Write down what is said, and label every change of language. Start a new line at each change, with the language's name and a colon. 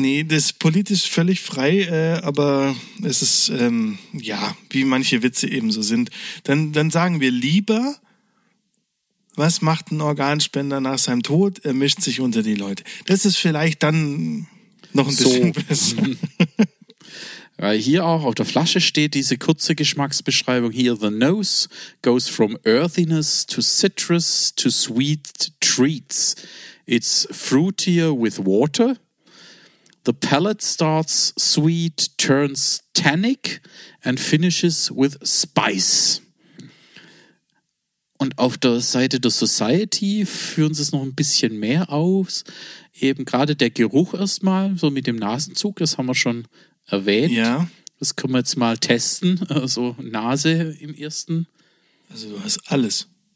German: Nee, das ist politisch völlig frei, aber es ist, ja, wie manche Witze eben so sind. Dann sagen wir lieber, was macht ein Organspender nach seinem Tod? Er mischt sich unter die Leute. Das ist vielleicht dann noch ein bisschen besser. Weil hier auch auf der Flasche steht diese kurze Geschmacksbeschreibung.
English: Here the nose goes from earthiness to citrus to sweet treats. It's fruitier with water. The palate starts sweet, turns tannic and finishes with spice.
German: Und auf der Seite der Society führen sie es noch ein bisschen mehr aus. Eben gerade der Geruch erstmal, so mit dem Nasenzug, das haben wir schon erwähnt. Ja. Das können wir jetzt mal testen, also Nase im ersten. Also du hast alles.